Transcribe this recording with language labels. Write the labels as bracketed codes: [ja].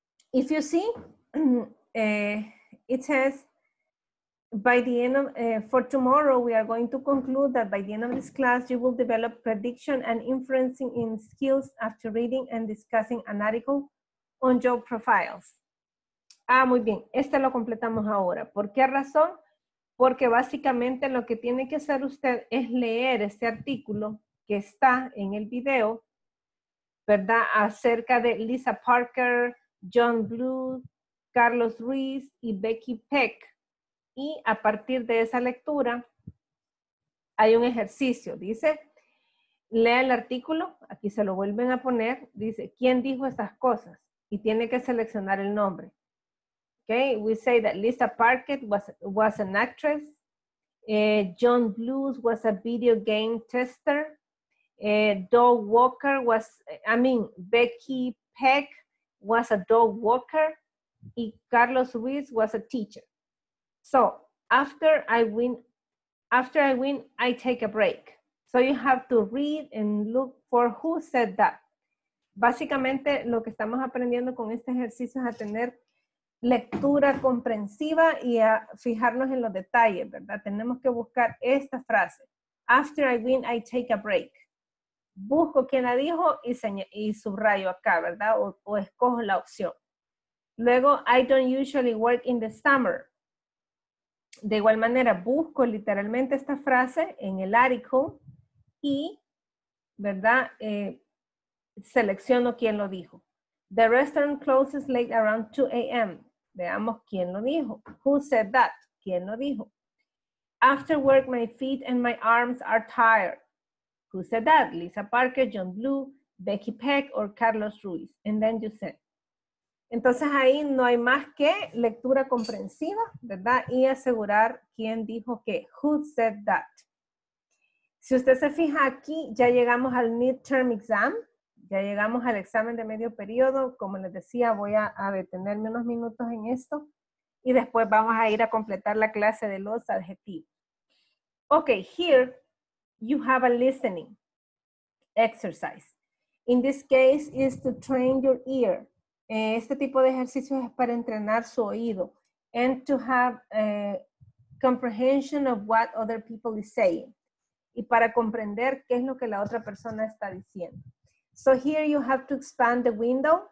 [en] If you see, it says, by the end of, for tomorrow, we are going to conclude that by the end of this class, you will develop prediction and inferencing in skills after reading and discussing an article on job profiles. [es] Ah, muy bien. Este lo completamos ahora. ¿Por qué razón? Porque básicamente lo que tiene que hacer usted es leer este artículo que está en el video, ¿verdad? Acerca de Lisa Parker, John Blue, Carlos Ruiz y Becky Peck. Y a partir de esa lectura, hay un ejercicio. Dice, lea el artículo, aquí se lo vuelven a poner. Dice, ¿quién dijo estas cosas? Y tiene que seleccionar el nombre. [en] Okay, we say that Lisa Parkett was an actress. John Blues was a video game tester. Dog Walker was, I mean, Becky Peck was a dog walker. Y Carlos Ruiz was a teacher. So, after I win, I take a break. So you have to read and look for who said that. [es] Básicamente, lo que estamos aprendiendo con este ejercicio es a tener lectura comprensiva y a fijarnos en los detalles, ¿verdad? Tenemos que buscar esta frase. [en] After I win, I take a break. [es] Busco quién la dijo y subrayo acá, ¿verdad? O escojo la opción. Luego, [en] I don't usually work in the summer. [es] De igual manera, busco literalmente esta frase en el article y, ¿verdad? Selecciono quién lo dijo. [en] The restaurant closes late around 2 a.m. [es] Veamos quién lo dijo. [en] Who said that? [es] ¿Quién lo dijo? [en] After work, my feet and my arms are tired. Who said that? Lisa Parker, John Blue, Becky Peck or Carlos Ruiz. And then you said. [es] Entonces ahí no hay más que lectura comprensiva, ¿verdad? Y asegurar quién dijo qué. [en] Who said that? [es] Si usted se fija aquí, ya llegamos al midterm exam. Ya llegamos al examen de medio periodo. Como les decía, voy a detenerme unos minutos en esto. Y después vamos a ir a completar la clase de los adjetivos. [en] Ok, here you have a listening exercise. In this case, is to train your ear. [es] Este tipo de ejercicios es para entrenar su oído. [en] And to have a comprehension of what other people is saying. [es] Y para comprender qué es lo que la otra persona está diciendo. [en] So here you have to expand the window.